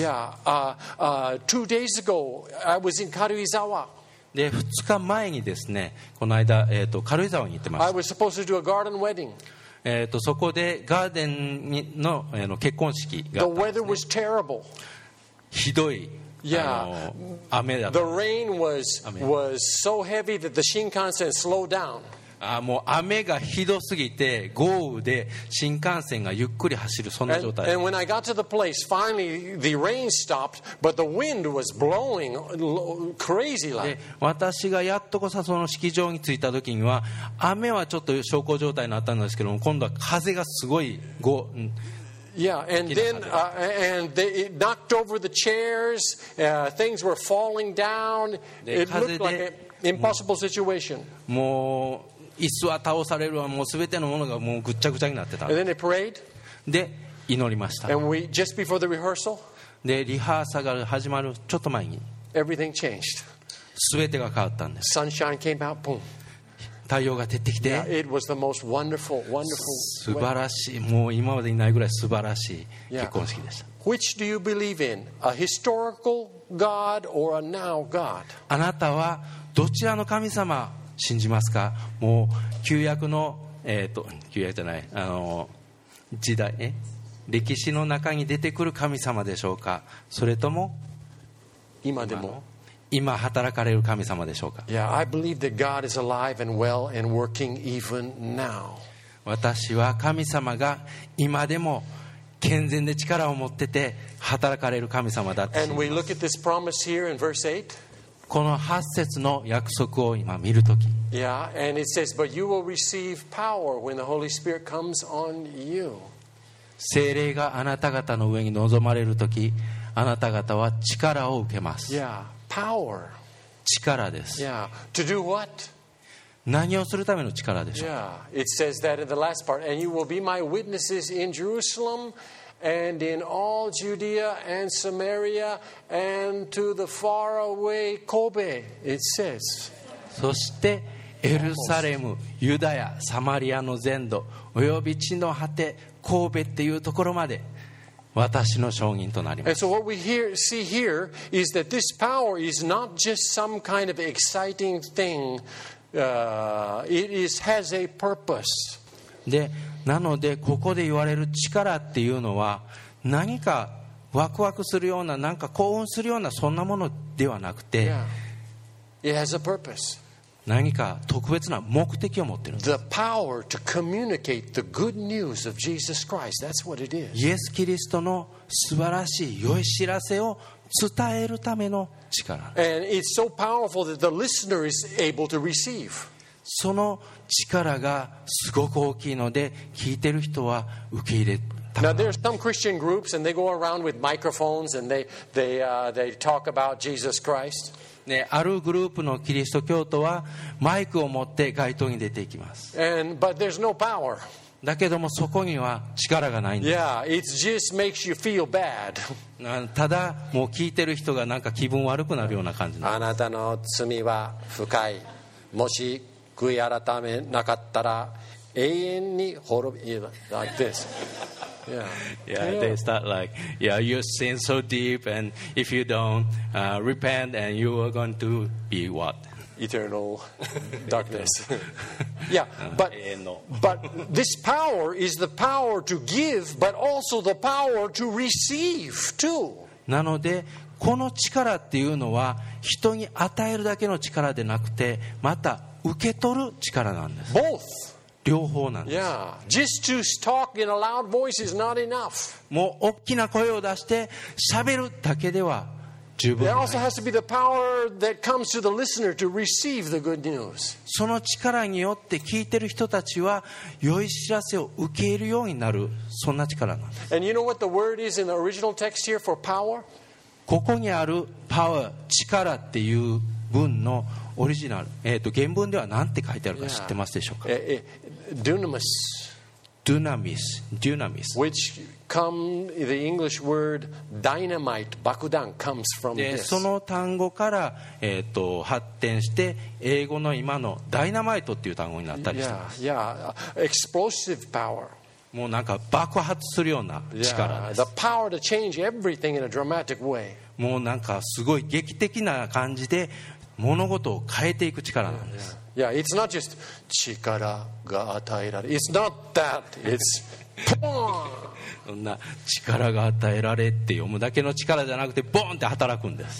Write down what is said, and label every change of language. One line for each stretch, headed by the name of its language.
English: Yeah, two days ago, I was in Karuizawa.
Japanese: で、2日前にですね、この間、軽井沢に行ってました。
English: I was supposed to do a garden wedding.
Japanese: そこでガーデンの、結婚式があったんですね。
English: The weather was terrible.
Japanese: ひどい。
English: Yeah,
Japanese: 雨だ。
English: The rain was so heavy that the Shinkansen slowed down.
Japanese: もう雨がひどすぎて豪雨で新幹線がゆっくり走る、そんな状態。
English: And when I got to the place, finally the rain stopped, but the wind was blowing crazy like.
Japanese: 私がやっとこさその式場に着いた時には雨はちょっと小康状態になったんですけども、今度は風がすごい
English: Yeah, and then and they, it knocked over the chairs. Things were falling down. It looked like an impossible situation.
Japanese: もう椅子は倒されるわ。もうすべてのものがもうぐっちゃぐちゃになってた。
English: And then they prayed.
Japanese: で祈りました。
English: And we just before the rehearsal.
Japanese: でリハーサル始まるちょっと前に。
English: Everything changed.
Japanese: すべてが変わったんです。
English: Sunshine came out. Boom.
Japanese: 太陽が照ってきて、
English: yeah, it was the most wonderful, wonderful
Japanese: 素晴らしい、もう今までにないぐらい素晴らしい結婚式でした。
English: Yeah. Which do you believe in, a historical God or a now God?
Japanese: あなたはどちらの神様を信じますか？もう旧約の、旧約じゃない、あの時代、歴史の中に出てくる神様でしょうか？それとも今でも今働かれる神様でしょうか。
English: Yeah, I believe that God is alive and well and working even now.
Japanese: 私は神様が今でも健全で力を持ってて働かれる神様だと信じます。
English: And we look at this promise here in verse 8.
Japanese: この8節の約束を今見るとき。
English: Yeah, and it says, but you will receive power when the Holy Spirit comes on you.
Japanese: 聖霊があなた方の上に臨まれるとき、あなた方は力を受けます。
English: Yeah. Power.
Japanese: 力です。
English: Yeah. To do what?
Japanese: 何をするための力でしょう。
English: Yeah. It says that in the last part, and you will be my witnesses in Jerusalem and in all Judea and Samaria and to the far away Kobe. It says.
Japanese: そしてエルサレム、ユダヤ、サマリアの全土および地の果て、神戸っていうところまで。私の証人となります。
English: And so what we hear, see here is that this power is not just some kind of exciting thing. It is, has a purpose.
Japanese: で、なのでここで言われる力っていうのは何かワクワクするような何か興奮するようなそんなものではなくて、
English: yeah. It has a purpose.
Japanese: 何か特別な目的を持っているんです。
English: The power to communicate the good news of Jesus Christ. That's what it is.
Japanese: イエス・キリストの素晴らしい良い知らせを伝えるための力。
English: And it's so powerful that the listener is able to receive.
Japanese: その力がすごく大きいので聞いてる人は受け入れる。
English: Now there are some Christian groups and they go around with microphones and they talk about Jesus Christ.
Japanese: ね、あるグループのキリスト教徒はマイクを持って街頭に出ていきます。
English: And, but there's no power.
Japanese: だけどもそこには力がないんです。
English: Yeah, it just makes you feel bad.
Japanese: ただもう聞いてる人がなんか気分悪くなるような感じなんです。あなたの罪は深い。もし悔い改めなかったら永遠に滅び。
English: Like this. Yeah. Yeah, they start like, yeah, you sin so deep, and if you don't repent, and you are going to be what? Eternal darkness. Yeah, but, but this power is the power to give, but also the power to receive too.
Japanese: なのでこの力っていうのは人に与えるだけの力でなくて、また受け取る力なんです。
English: Both.
Japanese: 両方なんです。
English: Yeah. Just to talk in a loud voice is not enough.
Japanese: もう大きな声を出して喋るだけでは十分ない。
English: There also has to be the power that comes to the listener to receive the good news.
Japanese: その力によって聞いてる人たちは良い知らせを受け入れるようになる、そんな力なんです。
English: And you know what the word is in the original text here for power?
Japanese: ここにある power、力っていう文のオリジナル、原文では何て書いてあるか知ってますでしょうか。
English: Yeah. Dunamis. Dunamis. Dunamis. Which come the English word dynamite, bakudan comes from this.
Japanese: その単語から、発展して英語の今のダイナマイトっていう単語になったりしてます。
English: Yeah. Yeah. Explosive power.
Japanese: もうなんか爆発するような力です。
English: Yeah. The power to change everything in a dramatic way.
Japanese: もうなんかすごい劇的な感じで物事を変えていく力なんです。
English: Yeah. Yeah, it's not just
Japanese: 力が与えられ。
English: It's not that. It's ボーン。
Japanese: そんな力が与えられって読むだけの力じゃなくて、ボーンって働くんです。